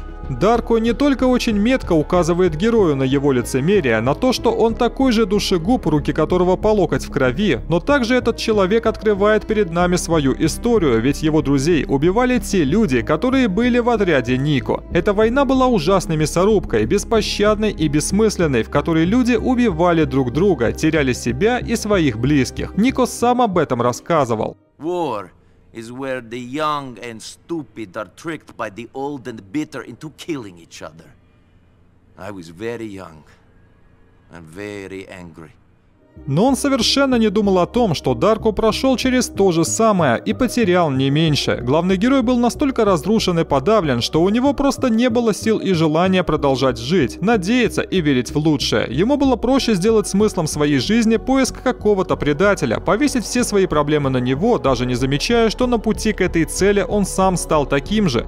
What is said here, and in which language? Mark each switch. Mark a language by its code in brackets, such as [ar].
[ru] Дарко не только очень метко указывает герою на его лицемерие, на то, что он такой же душегуб, руки которого по локоть в крови, но также этот человек открывает перед нами свою историю, ведь его друзей убивали те люди, которые были в отряде Нико. Эта война была ужасной мясорубкой, беспощадной и бессмысленной, в которой люди убивали друг друга, теряли себя и своих близких. Нико сам об этом рассказывал. [en] Is where the young and stupid are tricked by the old and bitter into killing each other. I was very young and very angry. [ru] Но он совершенно не думал о том, что Дарко прошел через то же самое и потерял не меньше. Главный герой был настолько разрушен и подавлен, что у него просто не было сил и желания продолжать жить, надеяться и верить в лучшее. Ему было проще сделать смыслом своей жизни поиск какого-то предателя, повесить все свои проблемы на него, даже не замечая, что на пути к этой цели он сам стал таким же.